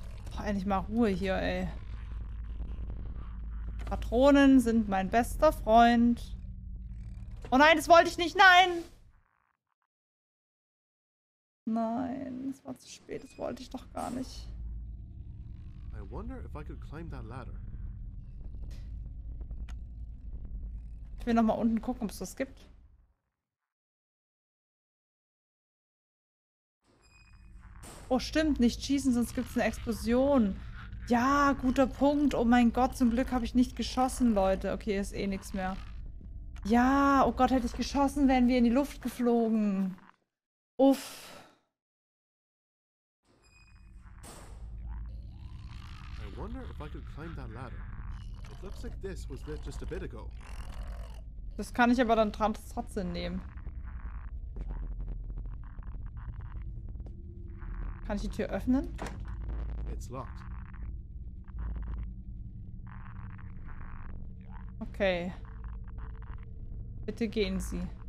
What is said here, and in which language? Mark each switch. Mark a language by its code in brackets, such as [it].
[de] Boah, endlich mal Ruhe hier, ey. Patronen sind mein bester Freund. Oh nein, das wollte ich nicht, nein! Nein, es war zu spät, das wollte ich doch gar nicht. [en] I wonder if I could climb that ladder. [de] Ich will noch mal unten gucken, ob es das gibt. Oh, stimmt, nicht schießen, sonst gibt es eine Explosion. Ja, guter Punkt. Oh mein Gott, zum Glück habe ich nicht geschossen, Leute. Okay, ist eh nichts mehr. Ja, oh Gott, hätte ich geschossen, wären wir in die Luft geflogen. Uff. [en] I wonder if I could climb that ladder. It looks like this was lit just a bit ago. [de] Das kann ich aber dann trotzdem nehmen. Kann ich die Tür öffnen? [en] It's locked. [de] Okay. Bitte gehen Sie.